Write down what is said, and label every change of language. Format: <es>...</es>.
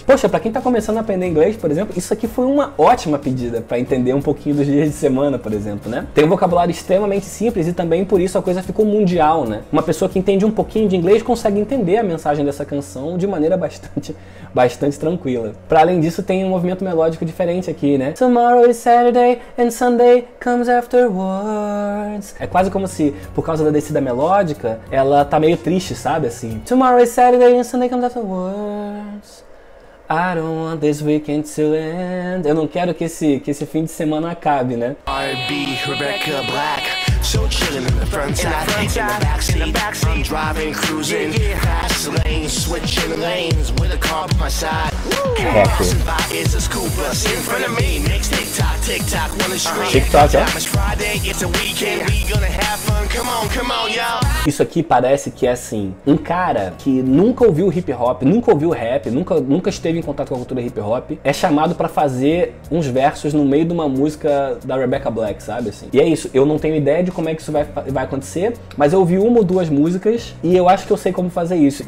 <pt>Poxa, pra quem tá começando a aprender inglês, por exemplo, isso aqui foi uma ótima pedida pra entender um pouquinho dos dias de semana, por exemplo, né? Tem um vocabulário extremamente simples e também por isso a coisa ficou mundial, né? Uma pessoa que entende um pouquinho de inglês consegue entender a mensagem dessa canção de maneira bastante, bastante tranquila. Para além disso, tem um movimento melódico diferente aqui, né?</pt> <en>Tomorrow is Saturday and Sunday comes afterwards.</en> <pt>É quase como se, por causa da descida melódica, ela tá meio triste, sabe? Assim.</pt> <en>Tomorrow is Saturday and Sunday comes afterwards. I don't want this weekend to end.</en> <pt>Eu não quero que esse fim de semana acabe, né?</pt> <en>R.B. Rebecca Black. So chillin' in the front side, in the back seat. I'm driving, cruising, fast lanes, switching lanes with a car by my side. Passing by is a school bus in front of me. Makes TikTok, TikTok, wanna scream. TikTok, yeah. It's Friday, it's a weekend, we gonna have fun. Come on, come on, y'all.</en> <pt>Isso aqui parece que é assim, um cara que nunca ouviu hip hop, nunca ouviu rap, nunca esteve em contato com a cultura hip hop, é chamado pra fazer uns versos no meio de uma música da Rebecca Black, sabe assim? E é isso, eu não tenho ideia de como é que isso vai acontecer, mas eu ouvi uma ou duas músicas e eu acho que eu sei como fazer isso.</pt>